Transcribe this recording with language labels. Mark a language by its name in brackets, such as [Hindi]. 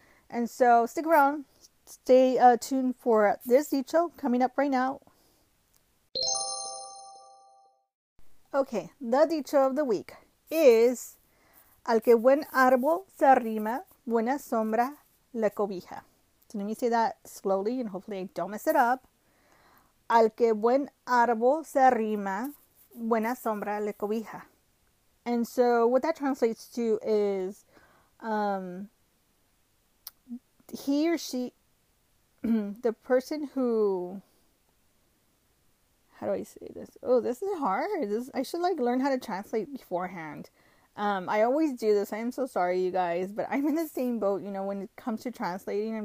[English] And so stick around. Stay tuned for this dicho coming up right now. Okay, the dicho of the week is, [Spanish] al que buen árbol se arrima, buena sombra le cobija. [English] So let me say that slowly and hopefully I don't mess it up. [Spanish] Al que buen árbol se arrima, buena sombra le cobija. [English] And so what that translates to is, he or she, the person who, how do I say this? Oh, this is hard. I should like learn how to translate beforehand. I always do this. I am so sorry, you guys, but I'm in the same boat, when it comes to translating.